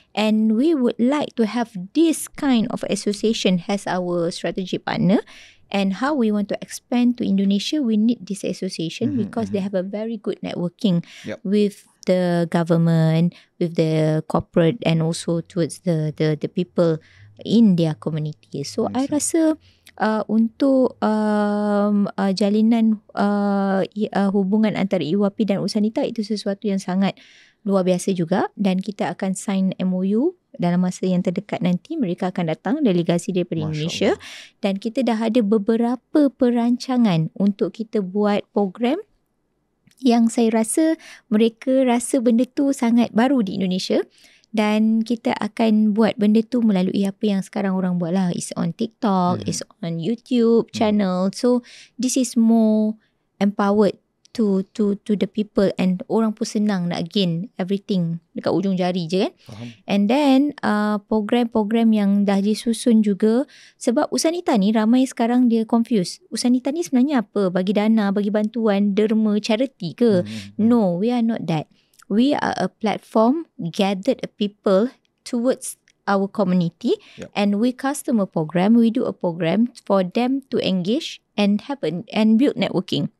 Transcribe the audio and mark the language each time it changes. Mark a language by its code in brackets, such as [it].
[en] And we would like to have this kind of association as our strategic partner. And how we want to expand to Indonesia, we need this association because they have a very good networking with the government, with the corporate and also towards the people in their community. [ms] So, I rasa untuk jalinan hubungan antara UAP dan Usanita itu sesuatu yang sangat luar biasa juga dan kita akan sign MOU dalam masa yang terdekat nanti. Mereka akan datang delegasi daripada Indonesia dan kita dah ada beberapa perancangan untuk kita buat program yang saya rasa mereka rasa benda tu sangat baru di Indonesia. Dan kita akan buat benda tu melalui apa yang sekarang orang buat lah. [en] It's on TikTok, it's on YouTube channel. So this is more empowered to the people and [ms] orang pun senang nak [en] gain everything [ms] dekat ujung jari je kan. Faham. [en] And then [ms] program-program yang dah disusun juga sebab Usanita ni ramai sekarang dia confused. Usanita ni sebenarnya apa? Bagi dana, bagi bantuan, derma, charity ke? [en] No, we are not that. We are a platform gathered a people towards our community and we customer program, we do a program for them to engage and have and build networking.